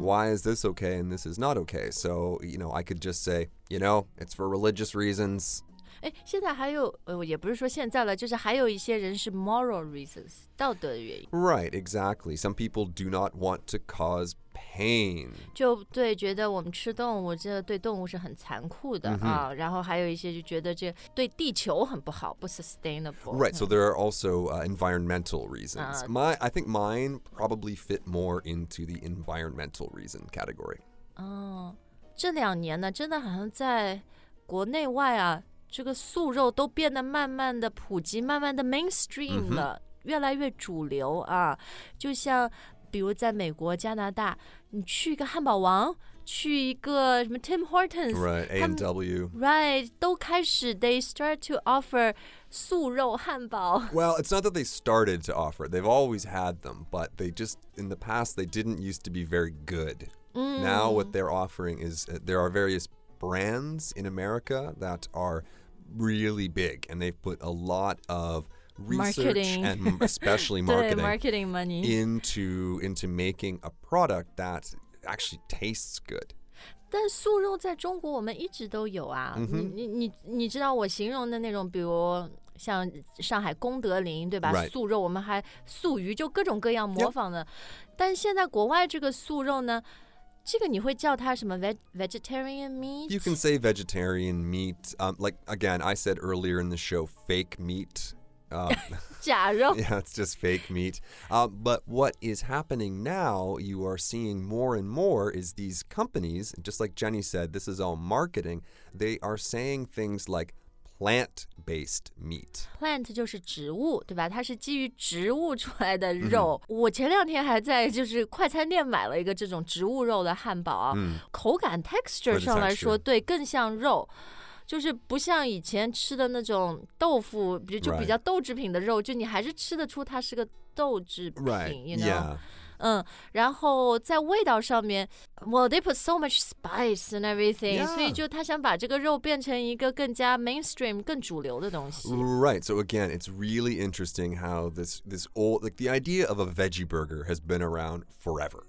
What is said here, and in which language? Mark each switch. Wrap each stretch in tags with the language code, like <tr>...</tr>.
<en>Why is this okay and this is not okay? So, you know, I could just say, you know, it's for religious reasons.</en> <zh>现在还有、也不是说现在了就是还有一些人是</zh> <en>moral reasons,</en> <zh>道德的原因。</zh> <en>Right, exactly. Some people do not want to cause pain.</en> <zh>就对觉得我们吃动物这对动物是很残酷的、 mm-hmm. 啊、然后还有一些就觉得这对地球很不好不 sustainable.</zh> <en>Right, so there are also、environmental reasons.、I think mine probably fit more into the environmental reason category.</en> <zh>这两年呢真的好像在国内外啊这个素肉都变得慢慢的普及慢慢的 mainstream 了、 mm-hmm. 越来越主流啊就像比如在美国加拿大你去一个汉堡王去一个什么 Tim Hortons</zh> <en>Right, A&W Right,</en> <zh>都开始</zh> <en>They start to offer</en> <zh>素肉汉堡</zh> <en>Well, it's not that they started to offer They've always had them But they just In the past They didn't used to be very good、 mm. Now what they're offering is There are various brands in America That are really big And they've put a lot ofresearch、 marketing. and especially marketing, marketing money. Into making a product that actually tastes good.</en> <zh>但素肉在中国我们一直都有啊、 mm-hmm. 你知道我形容的那种比如像上海功德林对吧、</zh> <en>right.</en> <zh>素肉我们还素鱼就各种各样模仿的、</zh> <en>yep.</en> <zh>但现在国外这个素肉呢这个你会叫它什么</zh> <en>vegetarian meat? You can say vegetarian meat、like again I said earlier in the show fake meat</en> <zh>假肉</zh> <en>yeah, it's just fake meat.、but what is happening now, you are seeing more and more, is these companies, just like Jenny said, this is all marketing, they are saying things like plant-based meat.</en> <zh>Plant 就是植物,对吧? 它是基于植物出来的肉。 Mm-hmm. 我前两天还在就是快餐店买了一个这种植物肉的汉堡、啊 mm. 口感 texture 上来说,对,更像肉。就是不像以前吃的那种豆腐就比较豆制品的肉、</zh> <en>right.</en> <zh>就你还是吃得出它是个豆制品、</zh> <en>right. you know? yeah.</en> <zh>然后在味道上面</zh> <en>Well, they put so much spice and everything、 yeah.</en> <zh>所以就他想把这个肉变成一个更加 mainstream 更主流的东西</zh> <en>Right, so again, it's really interesting how this old like the idea of a veggie burger has been around forever、</en>